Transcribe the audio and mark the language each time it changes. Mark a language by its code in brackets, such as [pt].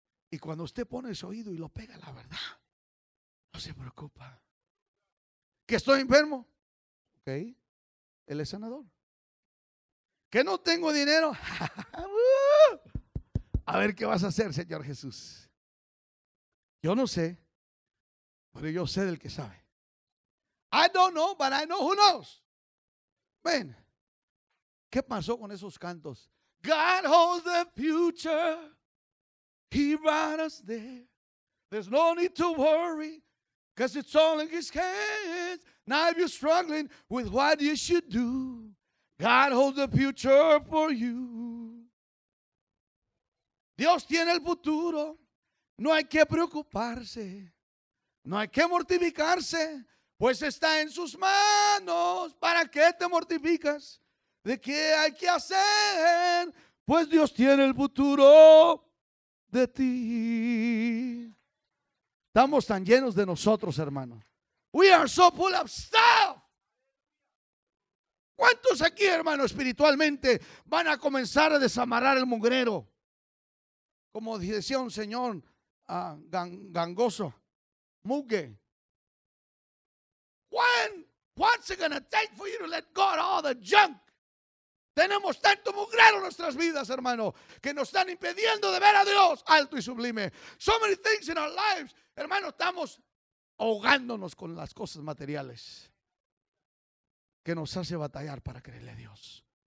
[es] Y cuando usted pone su oído y lo pega a la verdad, no se preocupa. ¿Que estoy enfermo? Ok, Él es sanador. ¿Que no tengo dinero? A ver qué vas a hacer, Señor Jesús. Yo no sé, pero yo sé del que sabe. [en] I don't know, but I know who knows. [es] Ven, ¿qué pasó con esos cantos? [en] God holds the future. He brought us there. There's no need to worry, because it's all in His hands. Now if you're struggling with what you should do, God holds the future for you. [es] Dios tiene el futuro, no hay que preocuparse, no hay que mortificarse, pues está en sus manos. ¿Para qué te mortificas? ¿De qué hay que hacer? Pues Dios tiene el futuro de ti. Estamos tan llenos de nosotros, hermano. [en] We are so full of stuff. [es] ¿Cuántos aquí, hermano, espiritualmente van a comenzar a desamarrar el mugrero? Como decía un señor gangoso, mugue. [en] What's it gonna take for you to let go of all the junk? [es] Tenemos tanto mugrero en nuestras vidas, hermano, que nos están impidiendo de ver a Dios alto y sublime. [en] So many things in our lives, [es] hermano, estamos ahogándonos con las cosas materiales que nos hace batallar para creerle a Dios.